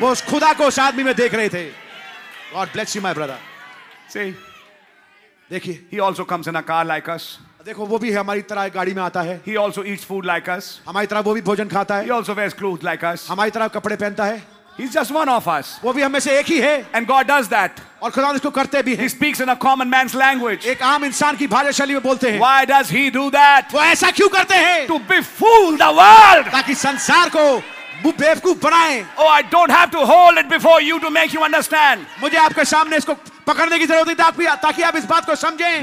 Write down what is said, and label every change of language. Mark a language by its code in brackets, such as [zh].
[hi] वो उस खुदा को आदमी में देख रहे थे. [en] God bless you, my brother. See, [hi] देखिए. [en] He also comes in a car like us. [hi] देखो, वो भी हमारी तरह गाड़ी में आता है. [en] He also eats food like us. [hi] हमारी तरह वो भी भोजन खाता है. [en] He also wears clothes like us. [hi] हमारी तरह कपड़े पहनता है. [en] He's just one of us. [hi] वो भी हमें से एक ही है. [en] And God does that. [hi] और खुदा इसको करते भी हैं. [en] He speaks in a common man's language. [hi] एक आम इंसान की भाषाशैली में बोलते हैं. [en] Why does he do that? [hi] वो ऐसा क्यों करते हैं? [en] To befool the world. [hi] ताकि संसार को बेवकूफ बनाएं. [en] Oh, I don't have to hold it before you to make you understand. [hi] मुझे आपके सामने इसको पकड़ने की जरूरत नहीं ताकि आप इस बात को समझें.